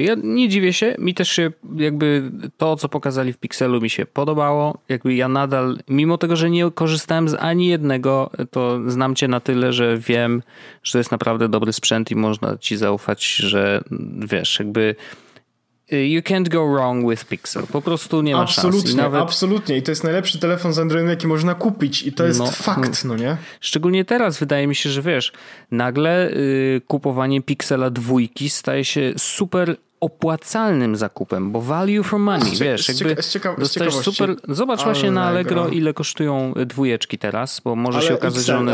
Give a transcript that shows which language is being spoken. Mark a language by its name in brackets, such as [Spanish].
[Polish] Ja nie dziwię się, mi też się jakby to, co pokazali w Pixelu, mi się podobało. Jakby ja nadal, mimo tego, że nie korzystałem z ani jednego, to znam cię na tyle, że wiem, że to jest naprawdę dobry sprzęt i można ci zaufać, że wiesz, jakby... [English] You can't go wrong with Pixel. [Polish] Po prostu nie ma absolutnie, szans. I nawet... Absolutnie. I to jest najlepszy telefon z Androidem, jaki można kupić. I to jest no, fakt, no nie? Szczególnie teraz wydaje mi się, że wiesz, nagle kupowanie Pixela dwójki staje się super opłacalnym zakupem, bo [English] value for money, [Polish] wiesz, jakby dostajesz super, zobacz właśnie na Allegro, ile kosztują dwójeczki teraz, bo może ale się okazać, że one